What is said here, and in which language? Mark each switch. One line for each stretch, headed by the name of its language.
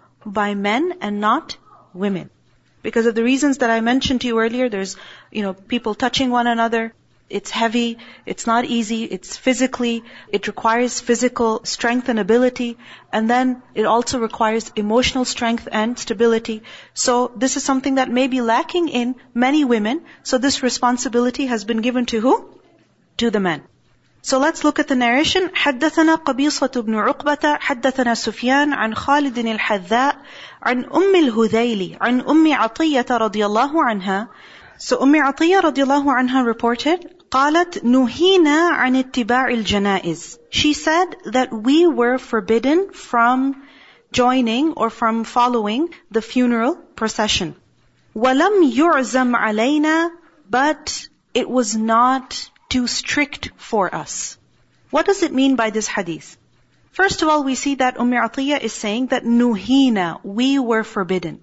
English: By men and not women. Because of the reasons that I mentioned to you earlier, there's, you know, people touching one another, it's heavy, it's not easy, it's physically, it requires physical strength and ability, and then it also requires emotional strength and stability. So this is something that may be lacking in many women, so this responsibility has been given to who? To the men. So let's look at the narration.
Arabic: حدثنا قبيصة بن عقبة حدثنا سفيان عن خالد الحذاء عن أم الهذيلي عن أم عطية رضي الله عنها.
English: So
Arabic: أم عطية رضي الله عنها
English: reported,
Arabic: قالت نهينا عن اتباع الجنائز.
English: She said that we were forbidden from joining or from following the funeral procession.
Arabic: ولم يعزم علينا,
English: but it was not too strict for us. What does it mean by this hadith? First of all, we see that Umm Atiyah is saying that nuhina, we were forbidden.